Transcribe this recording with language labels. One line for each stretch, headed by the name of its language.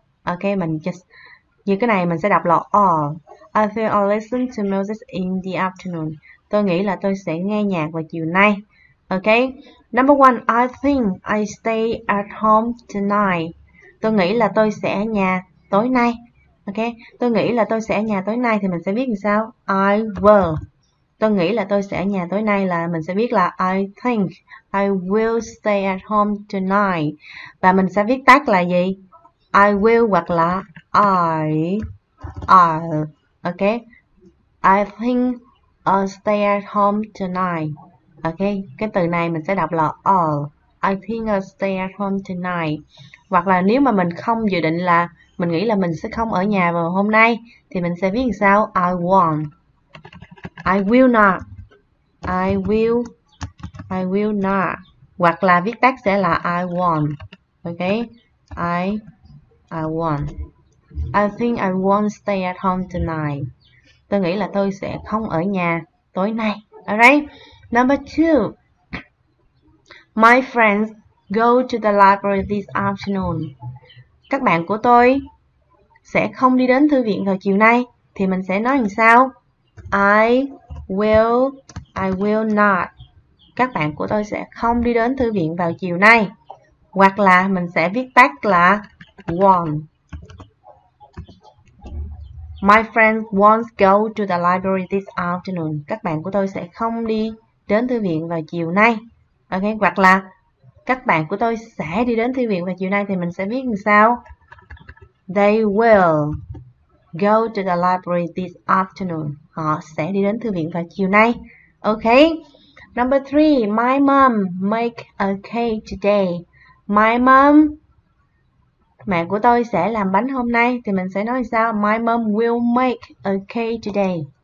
Vietnamese: Ok, mình just như cái này mình sẽ đọc là all.
English: I think I'll listen to music in the afternoon.
Vietnamese: Tôi nghĩ là tôi sẽ nghe nhạc vào chiều nay. Ok.
English: Number one, I think I stay at home tonight.
Vietnamese: Tôi nghĩ là tôi sẽ ở nhà tối nay. Ok, tôi nghĩ là tôi sẽ ở nhà tối nay thì mình sẽ viết làm sao?
English: I will.
Vietnamese: Tôi nghĩ là tôi sẽ ở nhà tối nay là mình sẽ viết là
English: I think I will stay at home tonight.
Vietnamese: Và mình sẽ viết tắt là gì?
English: I will
Vietnamese: hoặc là I'll. Ok.
English: I think I'll stay at home tonight. Ok.
Vietnamese: Cái từ này mình sẽ đọc là
English: I'll. I think I'll stay at home tonight.
Vietnamese: Hoặc là nếu mà mình không dự định là mình nghĩ là mình sẽ không ở nhà vào hôm nay thì mình sẽ viết làm sao?
English: I won't. I will not. I will not.
Vietnamese: Hoặc là viết tắt sẽ là
English: I won't. Ok. I won't. I think I won't stay at home tonight.
Vietnamese: Tôi nghĩ là tôi sẽ không ở nhà tối nay.
English: Alright. Number two. My friends go to the library this afternoon.
Vietnamese: Các bạn của tôi sẽ không đi đến thư viện vào chiều nay. Thì mình sẽ nói làm sao?
English: I will not.
Vietnamese: Các bạn của tôi sẽ không đi đến thư viện vào chiều nay. Hoặc là mình sẽ viết tắt là won't.
English: My friends won't go to the library this afternoon.
Vietnamese: Các bạn của tôi sẽ không đi đến thư viện vào chiều nay. Ok, hoặc là các bạn của tôi sẽ đi đến thư viện vào chiều nay thì mình sẽ viết làm sao?
English: They will go to the library this afternoon.
Vietnamese: Họ sẽ đi đến thư viện vào chiều nay. Ok.
English: Number three, my mom make a cake today. My mom,
Vietnamese: mẹ của tôi sẽ làm bánh hôm nay thì mình sẽ nói sao?
English: My mom will make a cake today.